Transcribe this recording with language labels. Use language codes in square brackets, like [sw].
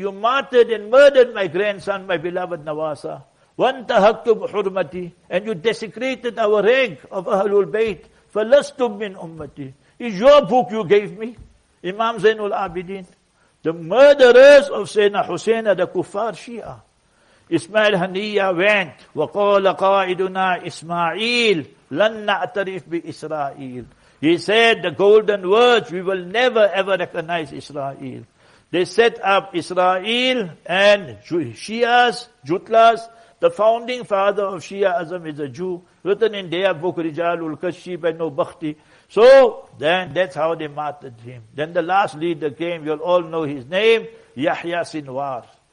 [en] You martyred and murdered my grandson, my beloved Nawasa. [ar] وَانْتَهَكْتُمْ حُرْمَتِي. [en] And you desecrated our rank of Ahlul Bayt. [ar] فَلَسْتُمْ مِنْ أُمَّتِي. [en] Is your book you gave me, Imam Zainul Abidin? The murderers of Sayyidina Hussein are the Kuffar Shia. Ismail Haniya went, [ar] وَقَالَ قَائِدُنَا إِسْمَعِيلِ لَن نَعْتَرِفْ بِإِسْرَائِيلِ. [en] He said the golden words, we will never ever recognize Israel. They set up Israel and Shias, Jutlas. The founding father of Shiaism is a Jew, written in their book, Rijalul Kashi by Nobakhti. So then that's how they martyred him. Then the last leader came, you'll all know his name, Yahya Sinwar.